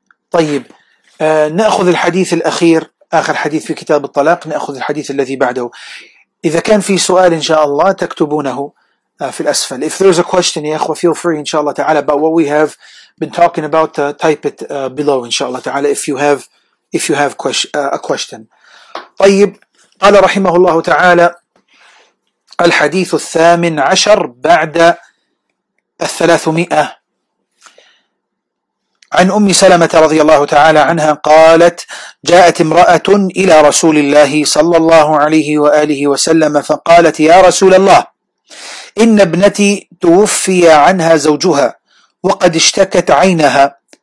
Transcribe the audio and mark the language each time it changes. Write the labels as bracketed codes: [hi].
[ar] طيب نأخذ الحديث الأخير آخر حديث في كتاب الطلاق نأخذ الحديث الذي بعده. إذا كان في سؤال إن شاء الله تكتبونه في الأسفل. [en] If there's a question, [ar] يا أخوة, [en] feel free, [ar] إن شاء الله تعالى, [en] about what we have been talking about, type it below, إن شاء الله تعالى, if you have a question. [ar] طيب, قال رحمه الله تعالى, الحديث الثامن عشر بعد الثلاثمائة, عن أم سلمة رضي الله تعالى عنها قالت, جاءت امرأة إلى رسول الله صلى الله عليه وآله وسلم فقالت, يا رسول الله, إن ابنتي توفي عنها زوجها وقد اشتكت عينها,